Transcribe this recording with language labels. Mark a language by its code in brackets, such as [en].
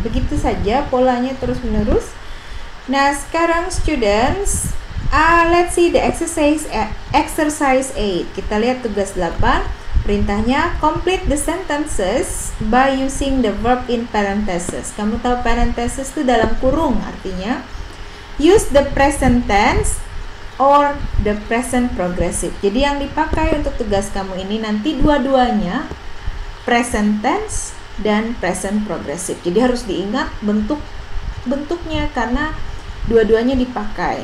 [id] Begitu saja polanya terus menerus. Nah sekarang [en] students, let's see the exercise 8. [id] Kita lihat tugas 8. Perintahnya, [en] complete the sentences by using the verb in parentheses. [id] Kamu tahu parentheses itu dalam kurung artinya. [en] Use the present tense or the present progressive. [id] Jadi yang dipakai untuk tugas kamu ini nanti dua-duanya, present tense dan present progressive. Jadi harus diingat bentuknya karena dua-duanya dipakai.